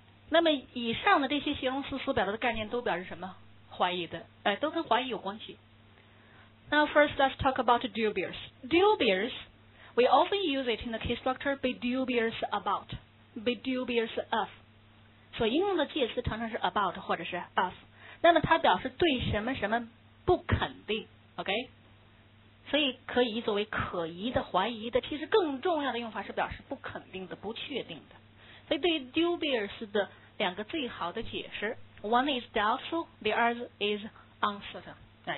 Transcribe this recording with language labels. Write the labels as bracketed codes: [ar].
[zh] 那么以上的这些形容词所表达的概念都表示什么？怀疑的，哎，都跟怀疑有关系。 [en] Now first let's talk about dubious. Dubious, we often use it in the case structure be dubious about, be dubious of. [zh] 所以用的介词常常是 about 或者是 of. 那么它表示对什么什么不肯定 ,OK? 所以可以作为可疑的怀疑的，其实更重要的用法是表示不肯定的不确定的。所以对于 dubious 的两个最好的解释 , [en] one is doubtful, the other is uncertain.